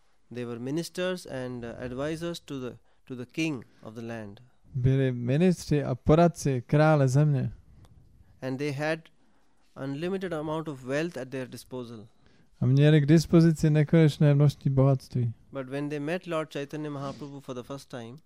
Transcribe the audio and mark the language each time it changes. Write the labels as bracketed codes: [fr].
[en] They were ministers and advisors to the king of the land. [cs] Byli ministři a poradci krále země. [en] And they had unlimited amount of wealth at their disposal. [cs] A měli k dispozici nekonečné množství bohatství. [en] But when they met Lord Chaitanya Mahaprabhu for the first time.